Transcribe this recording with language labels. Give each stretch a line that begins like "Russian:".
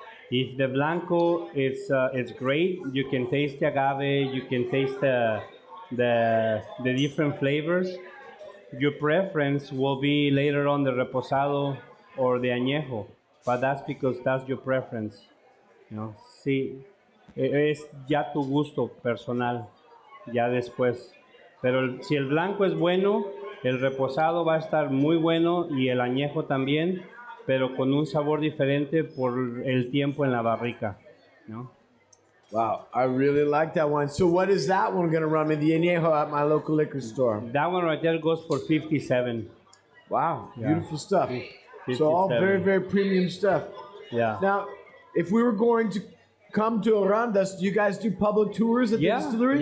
English: If the Blanco is great, you can taste the agave, you can taste the different flavors. Your preference will be later on the Reposado or the añejo, but that's because that's your preference, you know.
Spanish: Sí, es ya tu gusto personal, ya después. Pero si el blanco es bueno, el reposado va a estar muy bueno y el añejo también, pero con un sabor diferente por el tiempo en la barrica, ¿no?
English: Wow, I really like that one. So what is that one going to run me, the añejo, at my local liquor store? That one right there goes for $57. Wow, beautiful stuff. 57. So all very, very premium stuff. Yeah. Now, if we were going to come to Arandas, do you guys do public tours at the distillery?